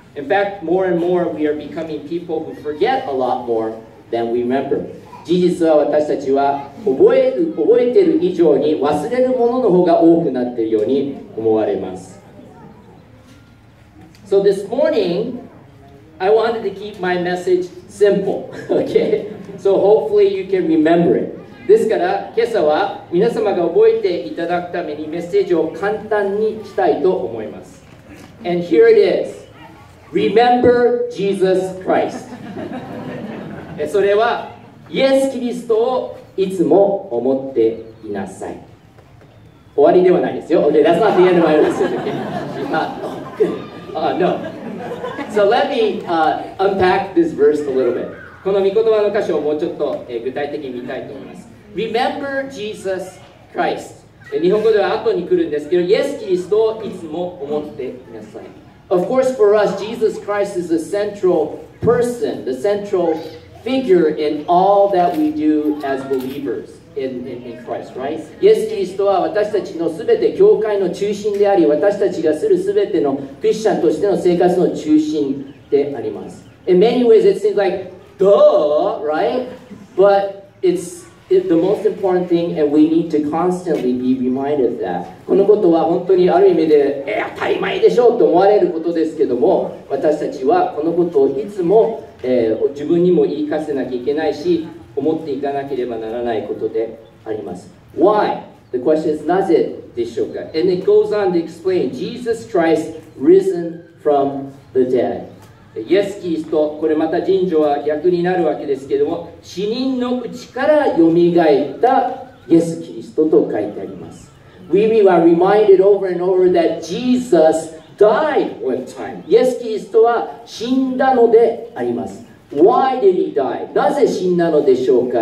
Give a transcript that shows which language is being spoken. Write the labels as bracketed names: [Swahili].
[English] In fact, more and more we are becoming people who forget a lot more than we remember. [Japanese] 事実は私たちは覚えている以上に忘れるものの方が多くなっているように思われます。 [English] So this morning, I wanted to keep my message simple, okay? So hopefully you can remember it. [Japanese] ですから今朝は皆様が覚えていただくためにメッセージを簡単にしたいと思います。 [English] And here it is. Remember Jesus Christ. [Japanese] それはイエス・キリストをいつも思っていなさい。終わりではないですよ。 [English] Okay, that's not the end of my message. No. So let me unpack this verse a little bit. [Japanese] この御言葉の箇所をもうちょっと具体的に見たいと思います。 [English] Remember Jesus Christ. [Japanese] 日本語では後に来るんですけど、イエス・キリストをいつも思っていなさい。 [English] Of course, for us, Jesus Christ is the central person, the central personfigure in all that we do as believers in Christ, right? [Japanese] イエス・キリストは私たちのすべて教会の中心であり、私たちがするすべてのクリスチャンとしての生活の中心であります。 [English] In many ways, it seems like, duh, right? But it's the most important thing, and we need to constantly be reminded of that. [Japanese] このことは本当にある意味で、当たり前でしょうと思われることですけども、私たちはこのことをいつも自分にも言い聞かせなきゃいけないし、思っていかなければならないことであります。 [English] Why? The question is [Japanese] なぜでしょうか? [English] And it goes on to explain, Jesus Christ risen from the dead. [Japanese] イエス・キリスト、これまた神女は逆になるわけですけれども、死人の口からよみがえったイエス・キリストと書いてあります。 [English] We are reminded over and over that Jesus died one time. [Japanese] イエス・キリストは死んだのであります。 [English] Why did he die? [Japanese] なぜ死んだのでしょうか?